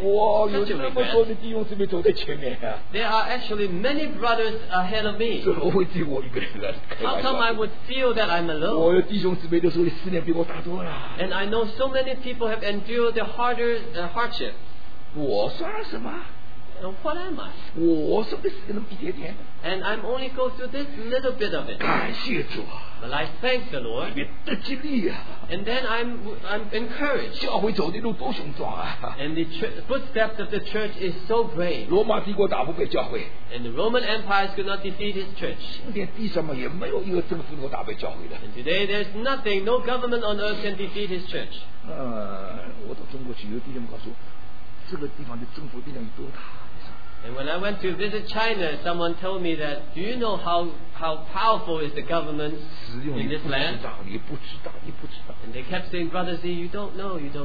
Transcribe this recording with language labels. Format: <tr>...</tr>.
<zh>哇，有那么多的弟兄姊妹走在前面啊。</zh> <en>There are actually many brothers ahead of me.</en> <zh>怎么会只有我一个人啊？</zh> <en>How come I would feel that I'm alone?</en> <zh>我的弟兄姊妹都受的试炼比我大多了。</zh> <en>And I know so many people have endured the harder hardships.</en> <zh>我算什么？</zh> <en>What am I?</en> <zh>我受的试炼比天天。</zh> <en>And I'm only go through this little bit of it.</en> <zh>感谢主啊。</zh> <en>But I thank the Lord.</en> <zh>里面得激励啊。</zh> <en>And then I'm encouraged.</en> <zh>教会走的路多雄壮啊。</zh> <en>And the footsteps of the church is so great.</en> <zh>罗马帝国打不败教会。</zh> <en>And the Roman Empire could not defeat his church.</en> <zh>今天地上嘛也没有一个政府能够打败教会的。</zh> <en>And today there's nothing, no government on earth can defeat his church.</en> <zh>我到中国去，有弟兄告诉我，这个地方的政府力量有多大。</zh> <en>And when I went to visit China, someone told me that, do you know how powerful is the government in this land?</en> <zh>你不知道,</zh> <en>and they kept saying, Brother Z, you don't know.</en>